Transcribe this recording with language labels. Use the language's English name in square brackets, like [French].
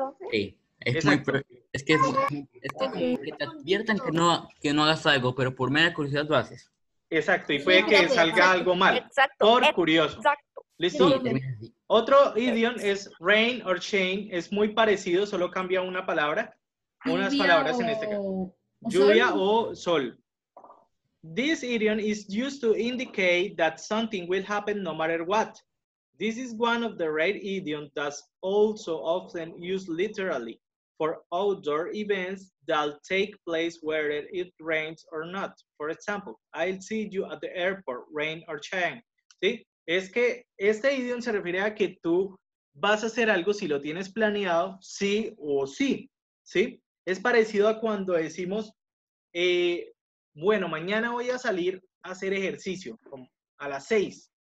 [Spanish] Sí, es muy, es que como que te adviertan que no hagas algo, pero por mera curiosidad lo haces. Exacto, y puede que salga algo mal. Exacto. Por curioso. Exacto. ¿Listo? Otro idiom es rain or shine, es muy parecido, solo cambia una palabra. Unas palabras en este caso. Lluvia o sol. [English] This idiom is used to indicate that something will happen no matter what. This is one of the rare idioms that's also often used literally for outdoor events that'll take place whether it rains or not. For example, I'll see you at the airport, rain or shine. [Spanish] ¿Sí? Es que este idiom se refiere a que tú vas a hacer algo si lo tienes planeado, sí o sí. ¿Sí? Es parecido a cuando decimos, Bueno, mañana voy a salir a hacer ejercicio a las 6.